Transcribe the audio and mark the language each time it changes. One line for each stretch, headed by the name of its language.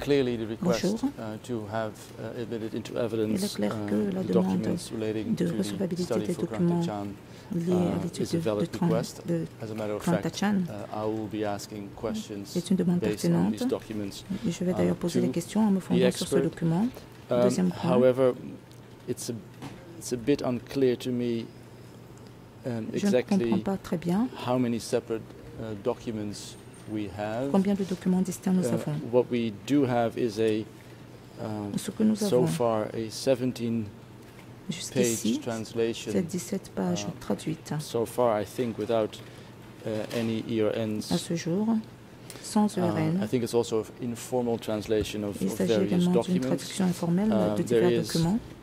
English: Clearly, the request to have admitted into evidence documents relating to the study for Grand Tachan
French: Je vais d'ailleurs poser des questions en me fondant sur ce document. Deuxième point.
English: However, it's a bit unclear to me exactly how many separate documents we have.
French: Combien de documents distincts nous avons?
English: What we do have is a so far a 17 page translation.
French: C'est 17 pages traduites.
English: So far, I think, without any ERNs.
French: À ce jour, sans ERN.
English: I think it's also an informal translation of various documents.
French: Il s'agit également d'une traduction informelle de divers documents.